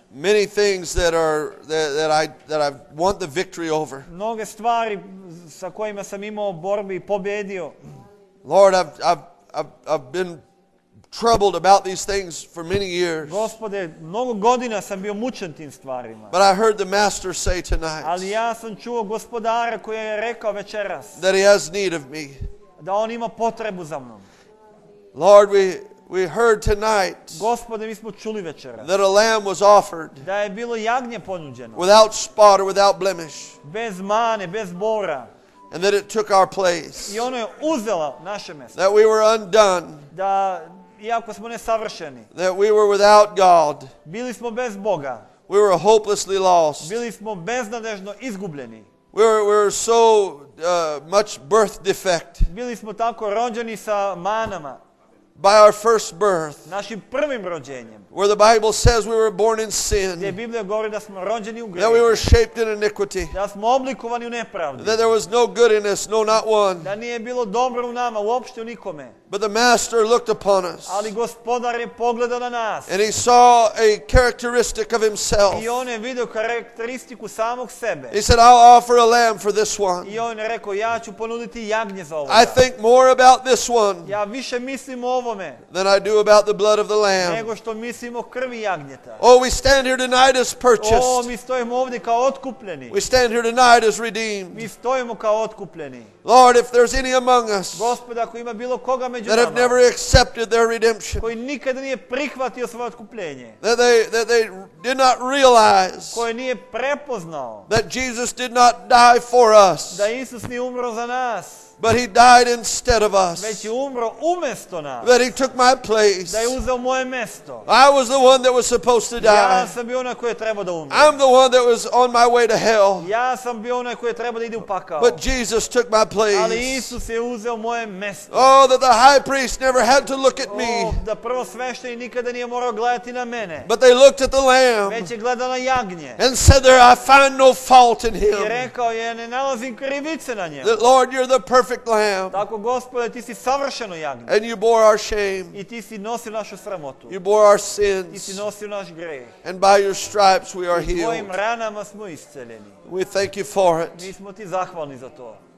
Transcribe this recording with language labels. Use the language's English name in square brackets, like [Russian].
[English] Many things that I want the victory over. [Serbian] Mnoge stvari sa kojima sam imao borbi i pobjedio. [English] Lord, I've been troubled about these things for many years. [Serbian] Gospode, mnogo godina sam bio mučen tim stvarima. [English] But I heard the master say tonight. [Serbian] Ali ja sam čuo gospodara koji je rekao večeras. [English] That he has need of me. [Serbian] Da on ima potrebu za mnom. [English] Lord, we heard tonight. [Serbian] Gospode, mi smo čuli večeras. [English] That a lamb was offered. [Serbian] Da je bilo jagnje ponuđeno. [English] Without spot or without blemish. [Serbian] Bez mane, bez bora. [English] And that it took our place. [Serbian] I ono je uzelo naše mjesto. [English] That we were undone. [Serbian] Da iako smo nesavršeni. [English] That we were without God. [Serbian] Bili smo bez Boga. [English] We were hopelessly lost. [Serbian] Bili smo beznadežno izgubljeni. [English] We were so much birth defect. [Serbian] Bili smo tako rođeni sa manama. [English] By our first birth. [Serbian] Našim prvim rođenjem. [English] Where the Bible says we were born in sin. [Serbian] Gdje Biblija govori da smo rođeni u grehu. [English] That we were shaped in iniquity. [Serbian] Da smo oblikovani u nepravdi. [English] That there was no good in us, no not one. [Serbian] Da nije bilo dobro u nama, uopšte u nikome. [English] But the master looked upon us. [Serbian] Ali gospodar je pogledao na nas. [English] And he saw a characteristic of himself. [Serbian] I on je vidio karakteristiku samog sebe. [English] He said, I'll offer a lamb for this one. [Serbian] I on je rekao, ja ću ponuditi jagnje za ovoga. [English] I think more about this one. [Serbian] Ja više mislim o ovome. [English] Than I do about the blood of the lamb. [Serbian] Nego što mislim o krvi jagnjeta. [English] Oh, we stand here tonight as purchased. [Serbian] O, mi stojimo ovdje kao otkupljeni. [English] We stand here tonight as redeemed. [Serbian] Mi stojimo kao otkupljeni. [English] Lord, if there's any among us. [Serbian] Gospode, ako ima bilo koga među [English] that have never accepted their redemption. [Serbian] Koji nikada nije prihvatio svoje otkupljenje. [English] That they did not realize. [Serbian] Koji nije prepoznao. [English] That Jesus did not die for us. [Serbian] Da Isus nije umro za nas. [English] But he died instead of us. [Serbian] Već je umro umjesto nas. [English] That he took my place. [Serbian] Da je uzeo moje mjesto. [English] I was the one that was supposed to die. [Serbian] Ja sam bio onaj koji je trebao da umre. [English] I'm the one that was on my way to hell. [Serbian] Ja sam bio onaj koji je trebao da ide u pakao. [English] But Jesus took my place. [Serbian] Ali Isus je uzeo moje mjesto. [English] Oh, that the high priest never had to look at me. [Serbian] Oh, da prvosveštenik nikada nije morao gledati na mene. [English] But they looked at the lamb. [Serbian] Već je gledao na jagnje. [English] And said there I find no fault in him. [Serbian] I rekao je ne nalazim krivice na njemu. [English] That Lord, you're the perfect lamb. [Serbian] Tako Gospode, ti si savršeno jagnje. [English] And you bore our shame. [Serbian] I ti si nosio našu sramotu. [English] You bore our sins. [Serbian] I ti nosio naš greh. [English] And by your stripes we are healed. [Serbian] I tvojim ranama smo isceljeni. [English] We thank you for it. [Serbian] Mi smo ti zahvalni za to.